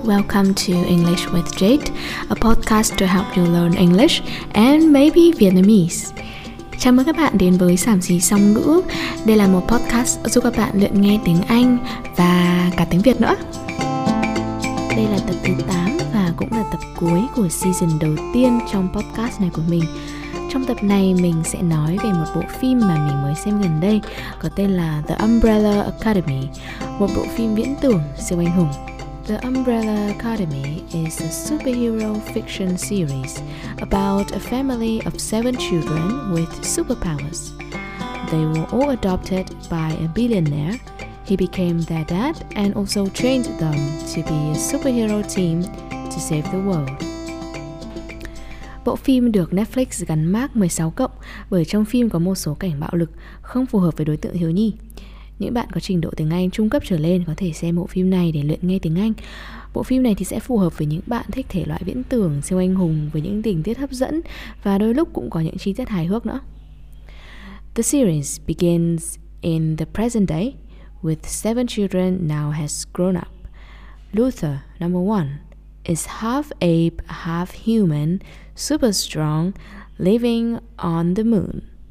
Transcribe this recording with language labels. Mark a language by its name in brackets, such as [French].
[English] Welcome to English with Jade, a podcast to help you learn English and maybe Vietnamese. [Vietnamese] Chào mừng các bạn đến với Sảm Xí Song Ngữ. Đây là một podcast giúp các bạn luyện nghe tiếng Anh và cả tiếng Việt nữa. Đây là tập thứ 8 và cũng là tập cuối của season đầu tiên trong podcast này của mình. Trong tập này mình sẽ nói về một bộ phim mà mình mới xem gần đây có tên là The Umbrella Academy, một bộ phim viễn tưởng siêu anh hùng. [English] The Umbrella Academy is a superhero fiction series about a family of 7 children with superpowers. They were all adopted by a billionaire. He became their dad and also trained them to be a superhero team to save the world. [Vietnamese] Bộ phim được Netflix gắn mác 16 cộng bởi trong phim có một số cảnh bạo lực không phù hợp với đối tượng thiếu nhi. Những bạn có trình độ tiếng Anh trung cấp trở lên có thể xem bộ phim này để luyện nghe tiếng Anh. Bộ phim này thì sẽ phù hợp với những bạn thích thể loại viễn tưởng siêu anh hùng với những tình tiết hấp dẫn và đôi lúc cũng có những chi tiết hài hước nữa. [English] The series begins in the present day with 7 children now has grown up. Luther, number 1, is half ape, half human. Super strong, living on the moon.